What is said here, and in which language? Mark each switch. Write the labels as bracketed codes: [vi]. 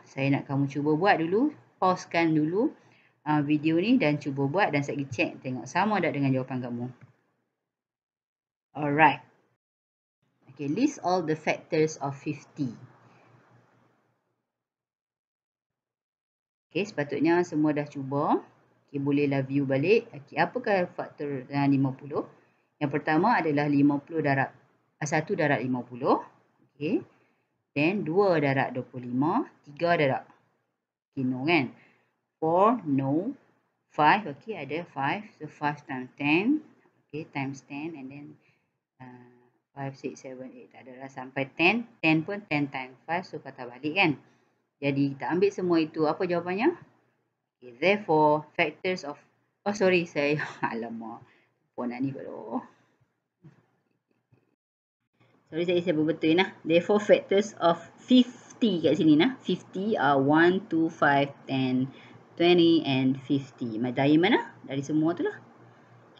[ms] Saya nak kamu cuba buat dulu. Pausekan dulu video ni dan cuba buat dan saya check tengok sama tak dengan jawapan kamu. [en] Alright. Okay, list all the factors of 50. [ms] Okay, sepatutnya semua dah cuba. Okay, bolehlah view balik. Okay, apakah faktor 50? Yang pertama adalah 50 darab. 1 darab 50. Okay. Then, 2 darab 25. 3 darab. Okay, no kan? 4, no. [en] 5, okay, [ms] ada 5. [en] So, 5 times 10. Okay, times 10. And then, [ms] 5, 6, 7, 8. Tak ada lah. Sampai 10. 10 pun [en] 10 times 5. So, [ms] patah balik kan? Jadi, kita ambil semua itu. Apa jawapannya? [en] Okay, therefore, factors of... [ms] Oh, sorry. Saya... Alamak. Puan ni kalau... Sorry, saya berbetul lah. [en] Therefore, factors of 50 [ms] kat sini lah. [en] 50 are 1, 2, 5, 10, 20 and 50. [ms] Dari mana? Dari semua tu lah. [en] Ok,